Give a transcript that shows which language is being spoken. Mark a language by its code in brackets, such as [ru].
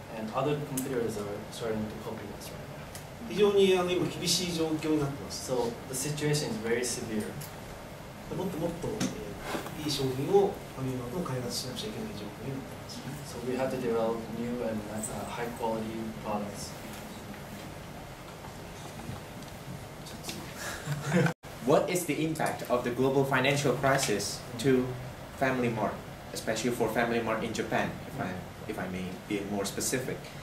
[en] And other competitors are starting to copy us right now. [ja] 非常にあの今厳しい状況になってます。 [en] So the situation is very severe. [ja] もっともっと、いい商品をファミリーマートを開発しなくちゃいけない状況になってます。 [en] So we have to develop new and high quality products. What is the impact of the global financial crisis to Family Mart, especially for Family Mart in Japan, if I may be more specific?